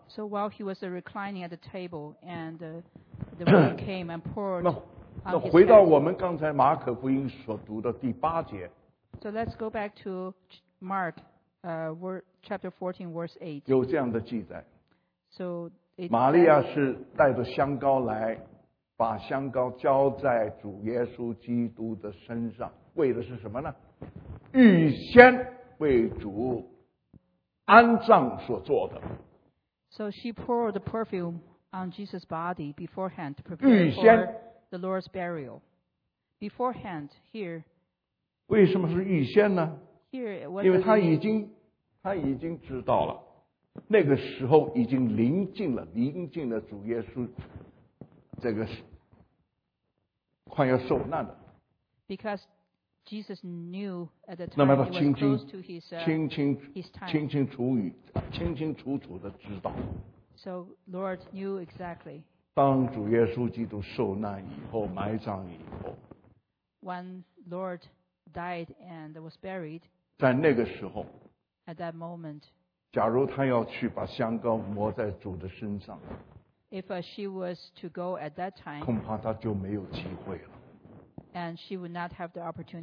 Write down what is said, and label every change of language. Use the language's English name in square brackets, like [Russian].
[English] So while he was reclining at the table, and the woman came and poured. [Chinese] 那回到我们刚才马可福音所读的第八节。 [English] So let's go back to Mark, chapter 14, verse 8. [Chinese] 有这样的记载。 [English] So [Chinese] 玛利亚是带着香膏来，把香膏浇在主耶稣基督的身上，为的是什么呢？预先为主安葬所做的。 [English] So she poured the perfume on Jesus' body beforehand to prepare [Chinese] 预先 [English] for the Lord's burial. Beforehand, here. [Chinese] 为什么是预先呢？ [English] Here, what [Chinese] 因为他已经知道了，那个时候已经临近了主耶稣这个快要受难的。 [English] Because Jesus knew at the time he was close to his time. [Chinese] 清清楚楚的知道。 [English] So Lord knew exactly. [Chinese] 当主耶稣基督受难以后，埋葬以后。 [English] When Lord died and was buried. [Chinese] 在那个时候。 [English] At that moment. [Chinese] 假如他要去把香膏抹在主的身上。 [English] If she was to go at that time. [Chinese] 恐怕他就没有机会了。 [English] And she would not have the opportunity.